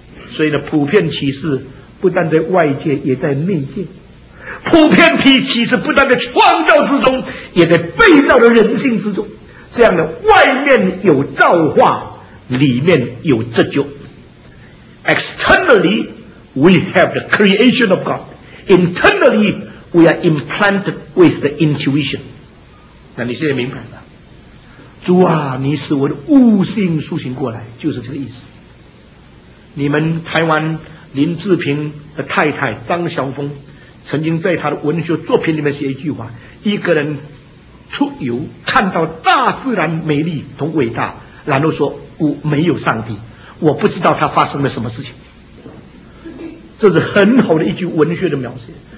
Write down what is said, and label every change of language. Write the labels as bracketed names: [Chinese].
[Chinese] 所以呢，普遍启示不但在外界，也在内界。普遍启示不但在创造之中，也在被造的人性之中。这样的外面有造化，里面有自救。 [English] Externally, we have the creation of God. Internally, we are implanted with the intuition. [Chinese] 那你现在明白了？主啊，你使我的悟性苏醒过来，就是这个意思。你们台湾林志平的太太张晓峰曾经在他的文学作品里面写一句话，一个人出游看到大自然美丽同伟大，然后说我没有上帝，我不知道他发生了什么事情，这是很好的一句文学的描写。